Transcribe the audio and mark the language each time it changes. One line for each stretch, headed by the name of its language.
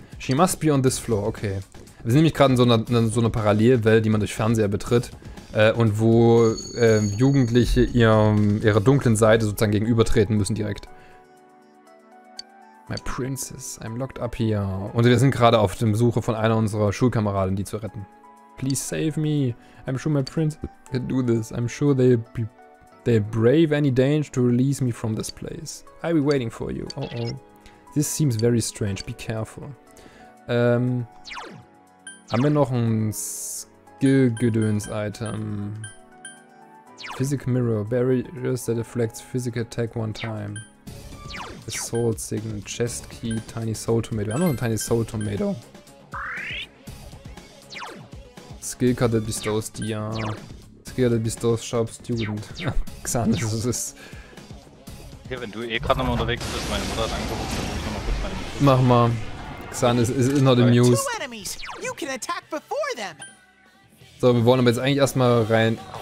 English: She must be on this floor, okay.
German: Wir sind nämlich gerade in so einer Parallelwelt, die man durch Fernseher betritt und wo Jugendliche ihrer dunklen Seite sozusagen gegenübertreten müssen direkt.
English: My princess, I'm locked up here.
German: Und wir sind gerade auf der Suche von einer unserer Schulkameraden, die zu retten.
English: Please save me. I'm sure my prince can do this. I'm sure they brave any danger to release me from this place. I'll be waiting for you. Oh. This seems very strange. Be careful.
German: Haben wir noch ein Skill-Gedöns-Item? Physical Mirror.
English: Barriers that deflect physical attack one time. Assault Signal. Chest Key.
German: Tiny Soul Tomato. Wir haben noch ein Tiny Soul Tomato.
English: Skill Card that bestows the Skill that bestows Sharp Student.
German: Xander, das ist. Ja, wenn du gerade nochmal unterwegs bist, meine Mutter hat angerufen, dann muss ich nochmal kurz meine. Mach mal. Xander ist not amused.
English: You can attack before them.
German: So, wir wollen aber jetzt eigentlich erstmal rein.